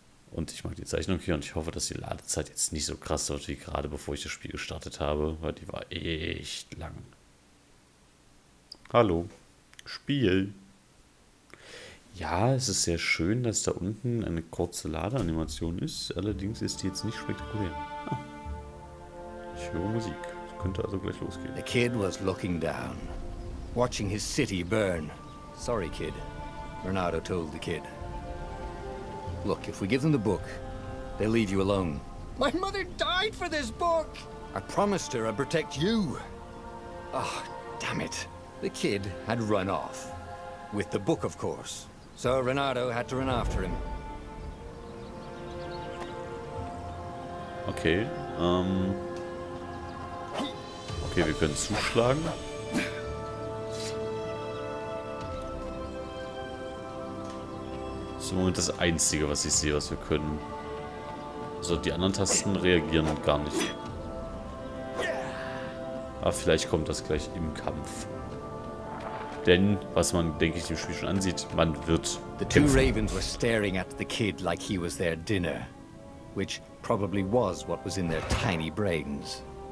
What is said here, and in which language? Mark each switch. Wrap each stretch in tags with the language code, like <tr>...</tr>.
<de>Und ich mag die Zeichnung hier und ich hoffe, dass die Ladezeit jetzt nicht so krass wird, wie gerade bevor ich das Spiel gestartet habe, weil die war echt lang. Hallo, Spiel. Ja, es ist sehr schön, dass da unten eine kurze Ladeanimation ist, allerdings ist die jetzt nicht spektakulär. Ich höre Musik. Könnte also gleich losgehen.</de> <en>The kid was looking down, watching his city burn. Sorry, kid, Renardo told the kid. Look, if we give them the book, they'll leave you alone. My mother died for this book! I promised her I'd protect you. Oh, damn it. The kid had run off. With the book, of course. So Renardo had to run after him.</en> <de>Okay, okay, wir können zuschlagen. Das ist im Moment das Einzige, was ich sehe, was wir können. Also die anderen Tasten reagieren gar nicht. Aber vielleicht kommt das gleich im Kampf. Denn, was man, denke ich, dem Spiel schon ansieht, man wird kämpfen.</de> <en>The two Ravens were staring at the kid like he was their dinner. Which probably was what was in their tiny brains.</en>